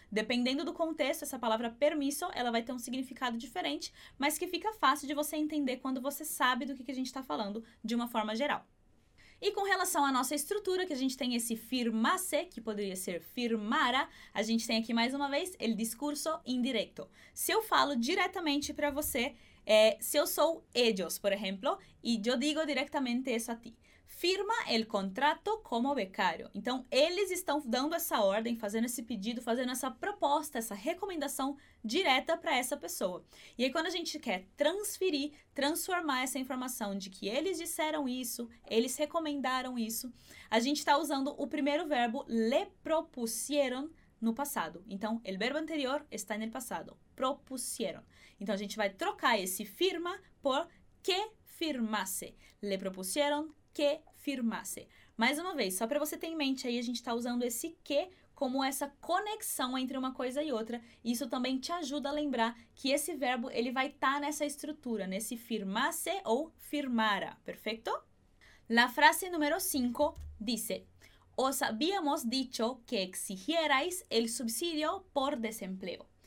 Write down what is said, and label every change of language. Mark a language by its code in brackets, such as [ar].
[pt] Dependendo do contexto, essa palavra permiso, ela vai ter um significado diferente, mas que fica fácil de você entender quando você sabe do que a gente está falando de uma forma geral. E com relação à nossa estrutura, que a gente tem esse firmase, que poderia ser firmara, a gente tem aqui mais uma vez, el discurso indirecto. Se eu falo diretamente para você, se eu sou ellos, por exemplo, e eu digo diretamente isso a ti. [es] Firma el contrato como becario. [pt] Então, eles estão dando essa ordem, fazendo esse pedido, fazendo essa proposta, essa recomendação direta para essa pessoa. E aí, quando a gente quer transferir, transformar essa informação de que eles disseram isso, eles recomendaram isso, a gente está usando o primeiro verbo, [es] le propusieron, [pt] no passado. Então, [es] el verbo anterior está en el passado. Propusieron. [pt] Então, a gente vai trocar esse firma por que firmase. [es] Le propusieron que firmase. [pt] Mais uma vez, só para você ter em mente, aí a gente está usando esse que como essa conexão entre uma coisa e outra. Isso também te ajuda a lembrar que esse verbo ele vai estar nessa estrutura, nesse firmase ou firmara. Perfeito? [es] La frase número 5 dice: os habíamos dicho que exigierais el subsidio por desempleo.